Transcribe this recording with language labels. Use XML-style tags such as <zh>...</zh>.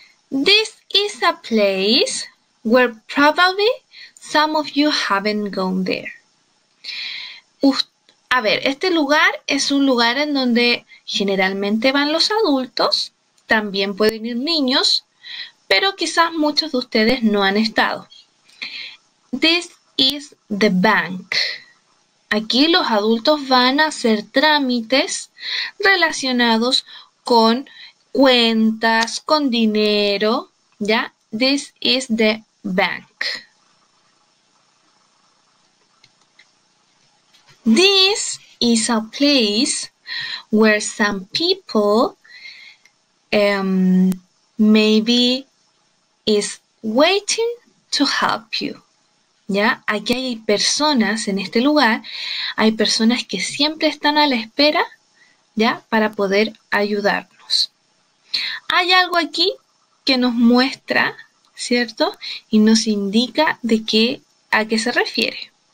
<en>This is a place where probably some of you haven't gone there.</en> <es>A ver, este lugar es un lugar en donde generalmente van los adultos. También pueden ir niños, pero quizás muchos de ustedes no han estado.</es> <en>This is the bank.</en> <es>Aquí los adultos van a hacer trámites relacionados con cuentas, con dinero, ¿ya?</es> <en>This is the bank. This is a place where some people maybe is waiting to help you.</en> <es>¿Ya? Aquí hay personas en este lugar, hay personas que siempre están a la espera, ¿ya? Para poder ayudarnos. Hay algo aquí que nos muestra, ¿cierto? Y nos indica de qué a qué se refiere.</es>